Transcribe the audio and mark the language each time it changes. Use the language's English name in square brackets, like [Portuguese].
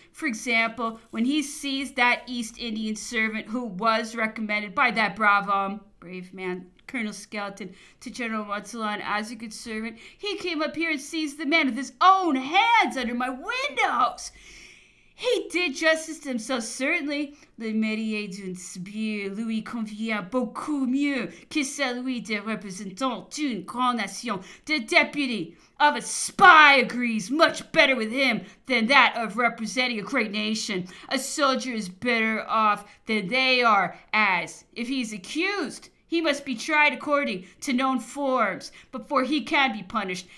[English] For example, when he sees that East Indian servant who was recommended by that brave man, Colonel Skeleton, to General Montalon as a good servant, he came up here and seized the man with his own hands under my windows. He did justice to himself, certainly. [French] Le métier d'un sbire lui convient beaucoup mieux que celui de représentant d'une grande nation. [English] The deputy of a spy agrees much better with him than that of representing a great nation. A soldier is better off than they are, as if he's accused, he must be tried according to known forms before he can be punished.